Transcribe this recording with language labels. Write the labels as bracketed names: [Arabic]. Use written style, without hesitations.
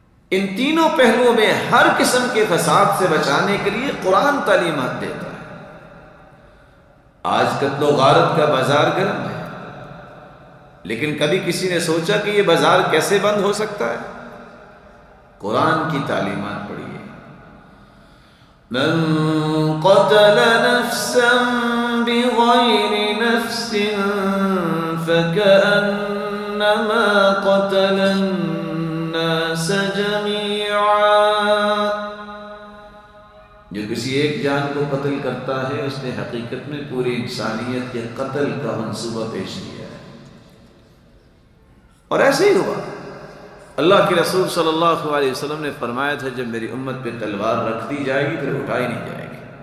[Urdu] ان تینوں پہلوؤں میں ہر قسم کے فساد سے بچانے کے لیے قرآن تعلیمات دیتا ہے. آج قتل و غارت کا بازار گرم ہے, لیکن کبھی کسی نے سوچا کہ یہ بازار کیسے بند ہو سکتا ہے؟ قرآن کی تعلیمات پڑھیے. [Arabic] من قتل نفسا بغیر نفس فكأنما قتل الناس جميعا. [Urdu] جو کسی ایک جان کو قتل کرتا ہے اس نے حقیقت میں پوری انسانیت کے قتل کا منصوبہ پیش کیا ہے. اور ایسے ہی ہوا. اللہ کے رسول صلی اللہ علیہ وسلم نے فرمایا تھا جب میری امت پہ تلوار رکھ دی جائے گی پھر اٹھائی نہیں جائے گی.